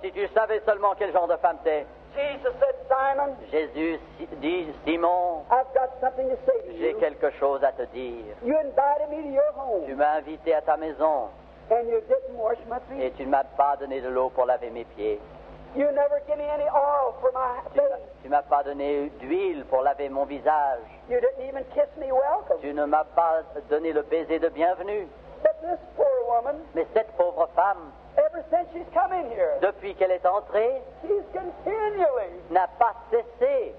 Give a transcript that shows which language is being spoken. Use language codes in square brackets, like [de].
[fr] si tu savais seulement quel genre de femme t'es, [en] Jesus said, Simon, [fr] Jésus dit, Simon, [en] I've got something to say to [fr] j'ai [en] you. [fr] Quelque chose à te dire. [en] You invited me to your home. [fr] Tu m'as invité à ta maison. [en] And you didn't wash my feet. [fr] Et tu ne m'as pas donné de l'eau pour laver mes pieds. [en] You never give me any oil for my face. [fr] Tu ne m'as pas donné d'huile pour laver mon visage. [en] You didn't even kiss me welcome. [fr] Tu ne m'as pas donné le baiser de bienvenue. [en] But this poor woman, [fr] mais cette pauvre femme, [en] ever since she's come in here, [fr] depuis qu'elle est entrée, [en] she's continually [fr] n'a pas cessé